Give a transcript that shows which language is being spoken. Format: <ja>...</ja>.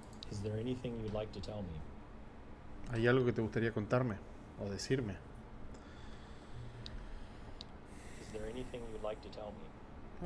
<en>Is there anything you'd like to tell me?</en> <es>¿Hay algo que te gustaría contarme o decirme?</es> <en>Is there anything you'd like to tell me?</en>